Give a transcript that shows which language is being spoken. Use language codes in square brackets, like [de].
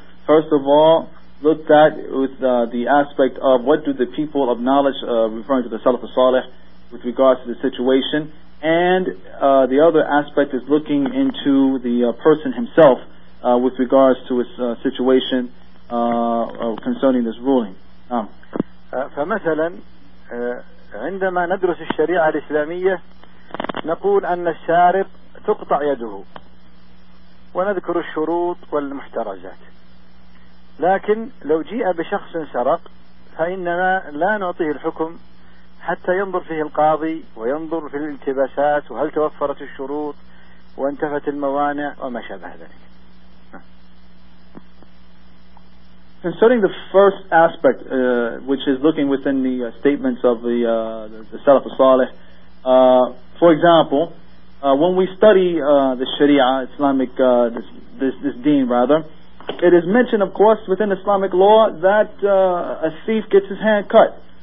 [en] First of all, looked at with the aspect of what do the people of knowledge, referring to the Salaf al-Salih, with regards to the situation. And the other aspect is looking into the person himself with regards to his situation concerning this ruling. [ar] فمثلا عندما ندرس الشريعة الإسلامية نقول أن الشارب تقطع يده, ونذكر الشروط والمحترجات. لكن لو جيء بشخص سرق فإننا لا نعطيه الحكم حتى ينظر فيه القاضي وينظر في الالتباسات وهل توفرت الشروط وانتفت الموانع وما شابه ذلك. [en] Concerning the first aspect which is looking within the statements of the Salaf al-Salih, for example, when we study the Sharia, Islamic this deen rather, it is mentioned, of course, within Islamic law that a thief gets his hand cut.